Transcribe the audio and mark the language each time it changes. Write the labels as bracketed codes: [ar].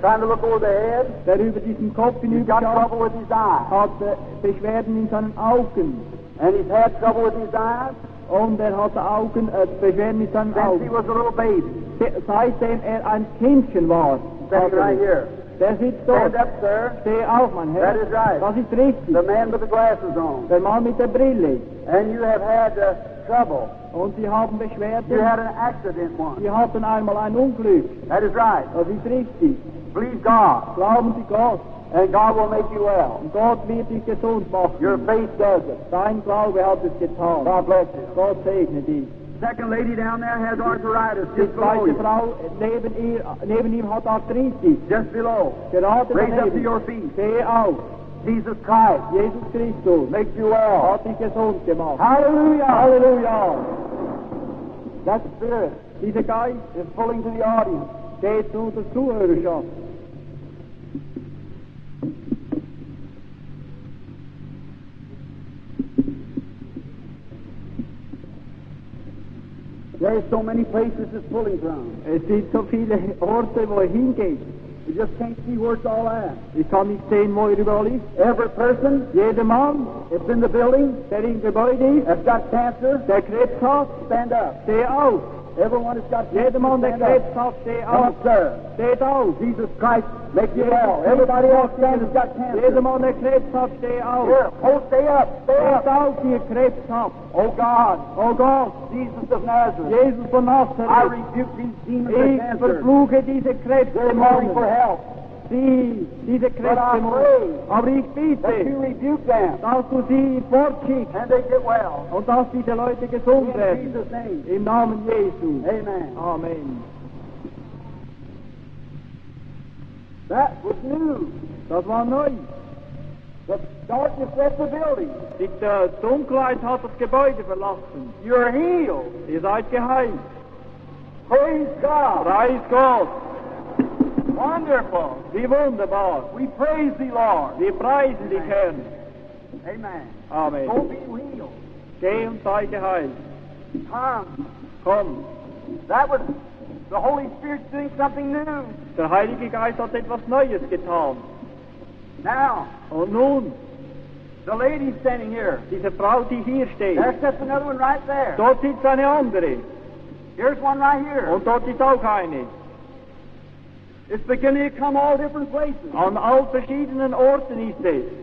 [en] trying to look over the head, [de] der über diesen Kopf hinüberschaut, [en] he's got trouble with his eyes. [de] Hat Beschwerden in seinen Augen. [en] And he's had trouble with his eyes. [de] Und er hatte Augen, Beschwerden mit seinen [en] Since [de] Augen. [en] He was a little baby. [de] Seitdem er ein Kindchen war. [en] Right here. [de] Der sitzt dort. [en] Stand up, sir. [de] Steh auf, mein Herr. [en] That is right. [de] Das ist richtig. [en] The man with the glasses on. [de] Der Mann mit der Brille. [en] And you have had trouble. [de] Und Sie haben Beschwerden. [en] You had an accident once. [de] Sie hatten einmal ein Unglück. [en] That is right. [de] Das ist richtig. [en] Believe God. [de] Glauben Sie Gott. [en] And God will make you well. [de] Gott wird dich gesund machen. [en] Your faith does it. [de] Dein Glaube hat es getan. [en] God bless you. [de] Gott segne dich. [en] Second lady down there has arthritis. Just below [de] you. Die zweite Frau neben ihm hat Arthritis. [en] Just below. [de] Gerade [en] Raise [de] daneben. [en] Up to your feet. [de] Steh auf. [en] Jesus Christ. [de] Jesus Christus. [en] Makes you well. [de] Hat dich gesund gemacht. [en] Hallelujah. [de] Hallelujah. [en] That spirit. [de] Dieser Geist [en] is pulling to the audience. [de] Steht zu der Zuhörerschaft. [en] There are so many places it's pulling from. [de] Es sind so viele Orte, wo er hingeht. [en] You just can't see where it's all at. [de] Ich kann nicht sehen, wo er überall ist. [en] Every person, [de] jeder Mann, [en] it's in the building, [de] der in Gebäude ist, [en] has got cancer, [de] der Krebs hat, [en] stand up. [de] Steh auf. [en] Everyone has got cancer. [de] Jeder Mann, der Krebs hat, steh auf. [en] Come, sir. [de] Steht auf. [en] Jesus Christ, make you well. Everybody else has got cancer. [de] Jeder Mann, der Krebs hat, steh auf. [en] Here, hold, stay up. [de] Steht auf, ihr Krebs hat. [en] Oh God. Oh God. Jesus of Nazareth. [de] Jesus von Nazareth. [en] I rebuke these demons [de] ich [en] of cancer. [de] Ich verfluche diese Krebs. [en] They're calling for help. [de] Sie, diese Krebs. [en] But I pray. [de] Aber ich bitte. [en] That you rebuke them. [de] Dass du sie fortschickst. [en] And they get well. [de] Und dass diese Leute gesund werden. [en] In Jesus' name. [de] Im Namen Jesu. [en] Amen. [de] Amen. [en] That was new. [de] Das war neu. [en] The darkness left the building. [de] Die Dunkelheit hat das Gebäude verlassen. [en] You're healed. [de] Ihr seid geheilt. [en] Praise God. Praise God. Wonderful. [de] Wie wunderbar. [en] We praise thee, Lord. [de] Wir preisen Amen. Dich, Herr. [en] Amen. [de] Amen. [en] Go be healed. [de] Geh und sei geheilt. [en] Come. [de] Komm. [en] That was the Holy Spirit doing something new. [de] Der Heilige Geist hat etwas Neues getan. [en] Now. [de] Und nun. [en] The lady standing here. [de] Diese Frau, die hier steht. [en] There's just another one right there. [de] Dort sitzt eine andere. [en] Here's one right here. [de] Und dort ist auch eine. [en] It's beginning to come all different places. [de] An all verschiedenen Orten ist es.